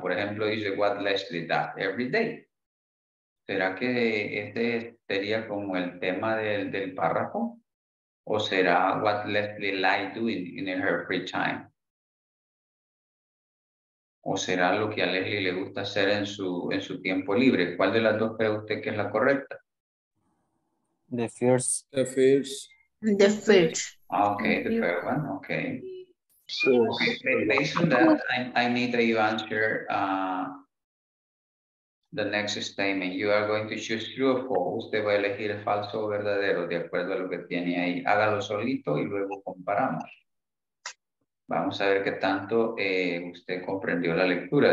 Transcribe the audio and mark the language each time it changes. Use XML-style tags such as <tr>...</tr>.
<es>Por ejemplo, dice,</es> <en>what Leslie does every day.</en> <es>¿Será que este sería como el tema del párrafo? ¿O será</es> <en>what Leslie likes doing in her free time?</en> <es>¿O será lo que a Leslie le gusta hacer en su tiempo libre? ¿Cuál de las dos cree usted que es la correcta?</es> <en>The first. The first. The first. Ah, ok, the first one, ok. So, okay. Based on that, I need that you answer the next statement. You are going to choose true or false.</en> <es>Usted va a elegir falso o verdadero, de acuerdo a lo que tiene ahí. Hágalo solito y luego comparamos. Vamos a ver qué tanto usted comprendió la lectura.</es>